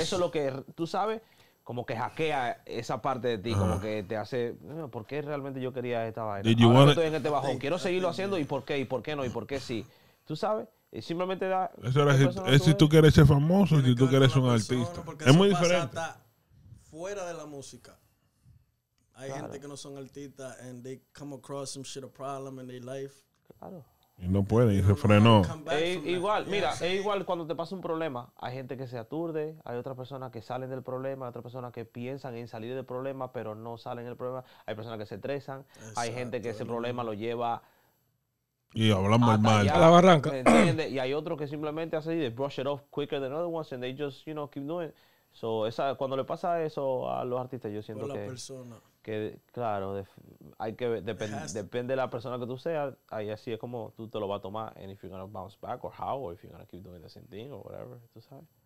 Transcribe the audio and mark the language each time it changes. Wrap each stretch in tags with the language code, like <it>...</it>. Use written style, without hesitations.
<es>Cosa, eso es lo que tú sabes, como que hackea esa parte de ti, como que te hace, ¿por qué realmente yo quería esta vaina?</es> <en>Did you want</en> <es>estoy en este bajón, quiero seguirlo haciendo, y por qué no, y por qué sí. Tú sabes. Y simplemente da. Eso era si tú quieres ser famoso, si tú quieres ser un artista. Es muy diferente. Fuera de la música. Hay claro. Gente que no son artistas</es> <en>and they come across some shit, a problem in their life.</en> <es>Claro. Y no pueden, y se frenó. Igual, mira, es igual cuando te pasa un problema. Hay gente que se aturde, hay otras personas que salen del problema, hay otras personas que piensan en salir del problema, pero no salen del problema. Hay personas que se estresan, hay gente que ese problema lo lleva. Y hablamos hasta mal. A la barranca. ¿Entiendes? Y hay otros que simplemente hacen y</es> <en>they brush it off quicker than other ones and they just, you know, keep doing.</en> <es>So, esa, cuando le pasa eso a los artistas, yo siento que. Por la persona. Que, claro, hay que. Depende de la persona que tú seas, ahí así es como tú te lo vas a tomar.</es> <en>And if you're going to bounce back or how, or if you're going to keep doing the same thing or whatever,</en> <es>tú sabes.</es>